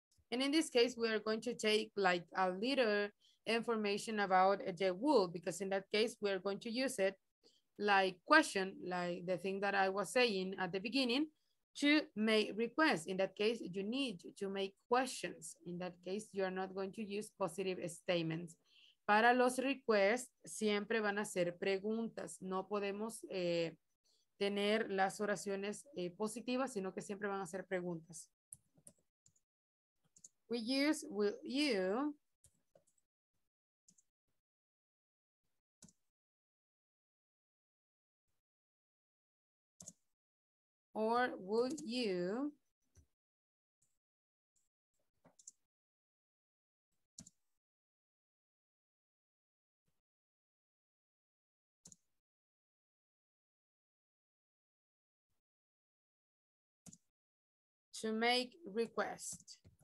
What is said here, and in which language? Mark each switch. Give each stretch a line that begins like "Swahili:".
English: And in this case, we are going to take like a little information about the will, because in that case, we are going to use it like question, like the thing that I was saying at the beginning, to make requests. In that case, you need to make questions. In that case, you are not going to use positive statements.
Spanish: Para los requests, siempre van a ser preguntas. No podemos tener las oraciones positivas, sino que siempre van a ser preguntas.
English: We use will you or will you to make request.